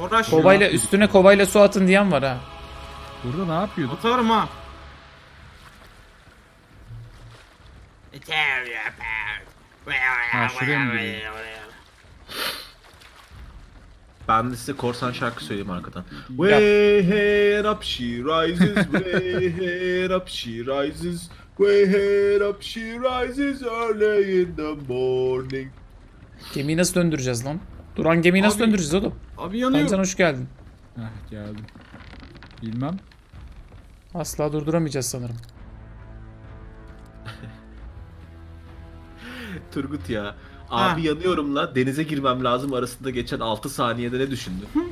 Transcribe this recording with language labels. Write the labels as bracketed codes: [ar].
[tr] Kovayla, üstüne kovayla su atın diyen var ha. Burada ne yapıyorduk? Atarım ha. [en] tear you apart. [tr] Ben de size korsan şarkı söyleyeyim arkadan. [en] Where up she rises, where up she rises, where up she rises early in the morning. [tr] Gemiyi nasıl döndüreceğiz lan? Duran gemiyi nasıl döndüreceğiz oğlum? Abi yanıyor. Sen hoş geldin. Heh, geldim. Bilmem. Asla durduramayacağız sanırım. Turgut ya. Abi ha. Yanıyorumla denize girmem lazım arasında geçen 6 saniyede ne düşündün?